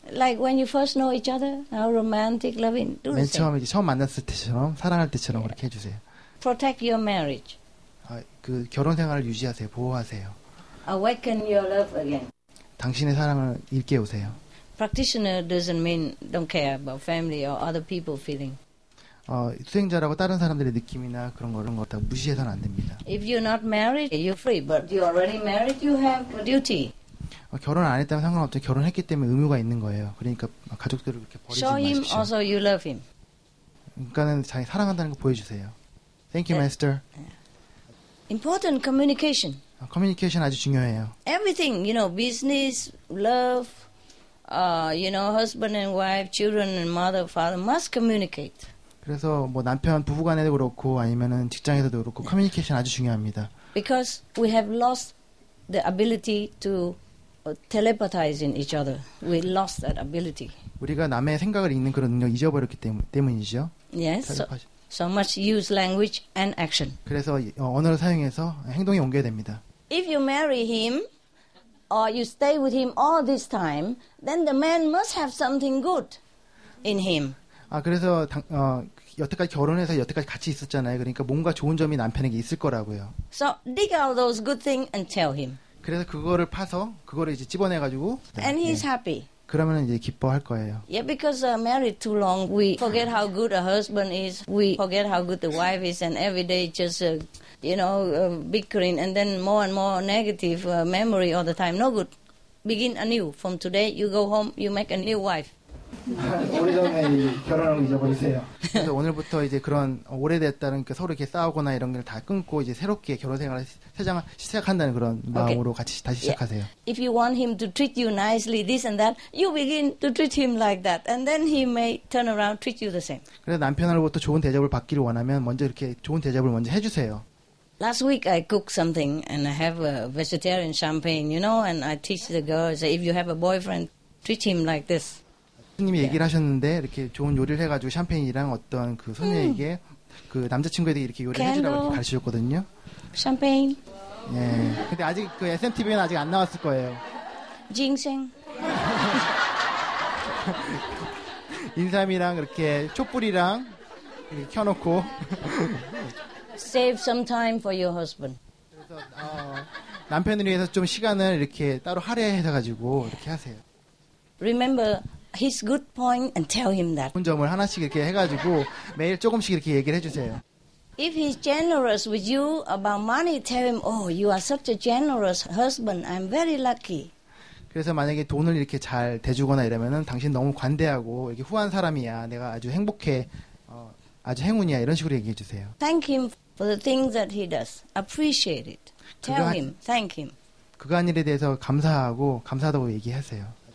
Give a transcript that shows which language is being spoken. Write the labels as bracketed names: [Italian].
[English] Like when you first know each other, how romantic loving. [Korean] 맨 처음에 이제 처음 만났을 때처럼 사랑할 때처럼 [English] yeah. [Korean] 그렇게 해 주세요. [English] Protect your marriage. [Korean] 그 결혼 생활을 유지하세요. 보호하세요. [English] Awaken your love again. [Korean] 당신의 사랑을 일깨우세요. [English] Practitioner doesn't mean don't care about family or other people's feeling. [Korean] 수행자라고 다른 사람들의 느낌이나 그런 거 다 무시해서는 안 됩니다. [English] If you're not married, you're free. But you're already married, you have a duty. [Korean] 결혼 안 했다면 상관없죠. 결혼했기 때문에 의무가 있는 거예요. 그러니까 가족들을 그렇게 버리지 [English] Show [Korean] 마십시오. [English] Show him also you love him. [Korean] 그러니까는 자기 사랑한다는 거 보여주세요. [English] Thank you, Master. Important communication. [Korean] Communication 아주 중요해요. [English] Everything, you know, business, love, you know, husband and wife, children and mother, father must communicate. [Korean] 그래서 뭐 남편 부부 간에도 그렇고 아니면은 직장에서도 그렇고 커뮤니케이션 아주 중요합니다. [English] Because we have lost the ability to telepathize in each other. We lost that ability. [Korean] 우리가 남의 생각을 읽는 그런 능력 잊어버렸기 때문이죠. [English] Yes. So much use language and action. [Korean] 그래서 언어를 사용해서 행동에 옮겨야 됩니다. [English] If you marry him or you stay with him all this time, then the man must have something good in him. [Korean] 그래서 여태까지 결혼해서 여태까지 같이 있었잖아요. 그러니까 뭔가 좋은 점이 남편에게 있을 거라고요. [English] So dig out those good things and tell him. [Korean] 그래서 그거를 파서 그거를 이제 집어내 가지고 네, [English] and he's 네. happy. [Korean] 그러면 이제 기뻐할 거예요. [English] Yeah, because married too long, we forget how good a husband is, we forget how good the wife is, and every day just, you know, bickering, and then more and more negative memory all the time. No good. Begin anew. From today, you go home, you make a new wife. [Korean] 오래전에 결혼하고 잊어버리세요. 그래서 오늘부터 이제 그런 오래됐다는 서로 이렇게 싸우거나 이런 걸 다 끊고 이제 새롭게 결혼 생활을 시작한다는 그런 마음으로 okay. 같이 다시 시작하세요. [English] If you want him to treat you nicely, this and that, you begin to treat him like that, and then he may turn around treat you the same. [Korean] 그래서 남편으로부터 좋은 대접을 받기를 원하면 먼저 이렇게 좋은 대접을 먼저 해주세요. [English] Last week I cooked something and I have a vegetarian champagne, you know, and I teach the girls if you have a boyfriend, treat him like this. [Korean] 님이 [English] yeah. [Korean] 얘기를 하셨는데 이렇게 좋은 요리를 해가지고 샴페인이랑 어떤 그 손님에게 그 남자친구에게 이렇게 요리를 해주라고 가르쳐줬거든요. 샴페인. 예. 근데 아직 그 SMTV는 아직 안 나왔을 거예요. 징생. 인삼이랑 이렇게 촛불이랑 이렇게 켜놓고. [English] Save some time for your husband. [Korean] 그래서 남편을 위해서 좀 시간을 이렇게 따로 할애해서 가지고 이렇게 하세요. [English] Remember. His good point and tell him that. [Korean] 좋은 점을 하나씩 이렇게 해가지고 매일 조금씩 이렇게 얘기를 해주세요. [English] If he's generous with you about money, tell him, oh, you are such a generous husband. I'm very lucky. [Korean] 그래서 만약에 돈을 이렇게 잘 대주거나 이러면은 당신 너무 관대하고 이렇게 후한 사람이야. 내가 아주 행복해. 아주 행운이야. 이런 식으로 얘기해 주세요. [English] Thank him for the things that he does. Appreciate it. Tell him. Thank him. [Korean] 그가 한 일에 대해서 감사하고 감사하다고 얘기하세요.